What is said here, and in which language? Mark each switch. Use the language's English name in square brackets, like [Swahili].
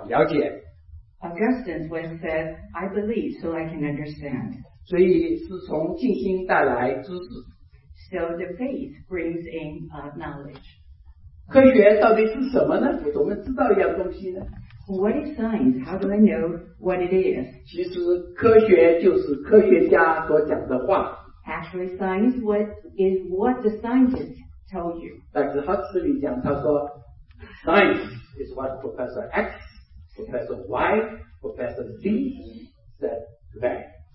[Chinese] pistis。好，那么奥古斯丁说，我相信是为了要了解。Augustine [English] once said, "I believe so I can understand." [Chinese] 所以是从信心带来知识。So [English] the faith brings in knowledge. [Chinese] 科学到底是什么呢？我们知道一样东西呢？ [English] What is science? How do I know what it is? [Chinese] 其实科学就是科学家所讲的话。 [English] Actually, science is what the scientist told you. [Chinese] 但是哈斯里讲，他说 [English] science is what Professor X, Professor Y, Professor Z said today.